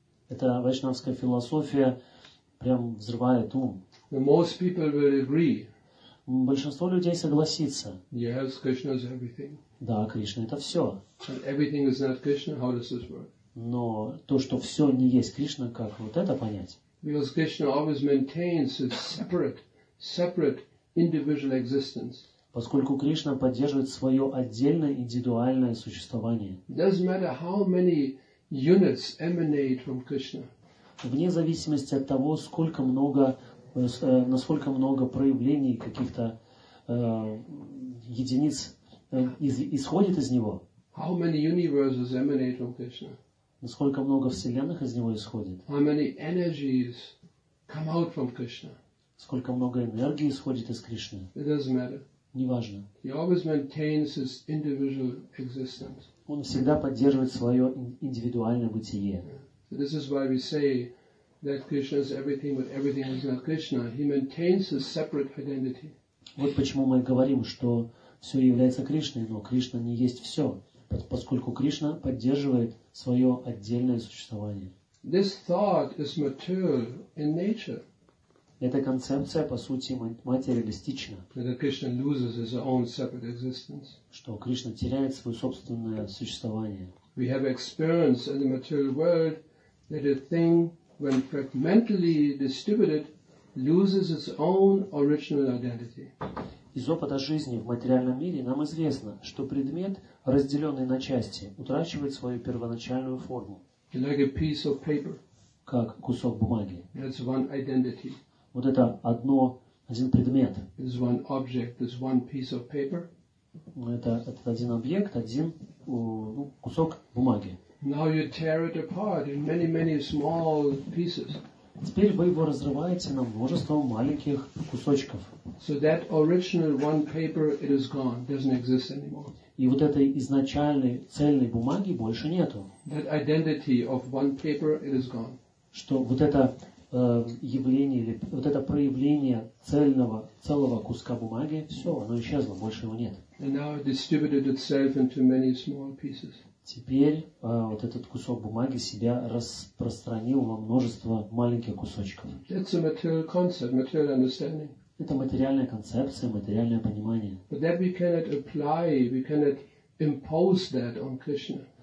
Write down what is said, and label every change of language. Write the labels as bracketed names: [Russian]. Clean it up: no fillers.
[Russian] Эта вайшнавская философия прям взрывает ум. [English] The most people will agree. [Russian] Большинство людей согласится. [English] Yes, Krishna is everything. [Russian] Да, Кришна это все. [English] But everything is not Krishna. How does this work? [Russian] Но то, что все не есть Кришна, как вот это понять? [English] Because Krishna always maintains his separate individual existence. [Russian] Поскольку Кришна поддерживает свое отдельное индивидуальное существование. [English] Doesn't matter how many units emanate from Krishna. [Russian] Вне зависимости от того, сколько много, насколько много проявлений каких-то единиц исходит из него. [English] How many universes emanate from Krishna? [Russian] Насколько много вселенных из него исходит? [English] How many energies come out from Krishna? [Russian] Сколько много энергии исходит из Кришны? [English] It doesn't matter. [Russian] Неважно. [English] He always maintains his individual existence. [Russian] Он всегда поддерживает свое индивидуальное бытие. [English] Yeah. So this is why we say that Krishna is everything, but everything is not Krishna. He maintains his separate identity. [Russian] Вот почему мы говорим, что все является Кришной, но Кришна не есть все. Поскольку Кришна поддерживает свое отдельное существование. [English] This thought is material in nature. [Russian] Эта концепция, по сути, материалистична. [English] That Krishna loses his own separate existence. [Russian] Что Кришна теряет свое собственное существование. [English] We have experience in the material world that a thing, when fragmentally distributed, loses its own original identity. [Russian] Из опыта жизни в материальном мире нам известно, что предмет, разделенный на части, утрачивает свою первоначальную форму. [English] Like a piece of paper. [Russian] Как кусок бумаги. [English] That's one identity. [Russian] Вот это один предмет. [English] It's one object, it's one piece of paper. [Russian] Это один объект, один кусок бумаги. [English] Now you tear it apart in many small pieces. [Russian] Теперь вы его разрываете на множество маленьких кусочков. [English] So that original one paper, it is gone, doesn't exist anymore. [Russian] И вот этой изначальной цельной бумаги больше нету. [English] That identity of one paper, it is gone. [Russian] Что вот это явление или вот это проявление целого куска бумаги, все, оно исчезло, больше его нет. [English] And now it distributed itself into many small pieces. [Russian] Теперь вот этот кусок бумаги себя распространил во множество маленьких кусочков. [English] That's a material concept, material understanding. [Russian] Это материальная концепция, материальное понимание. [English] But that we cannot apply, we cannot impose that on Krishna.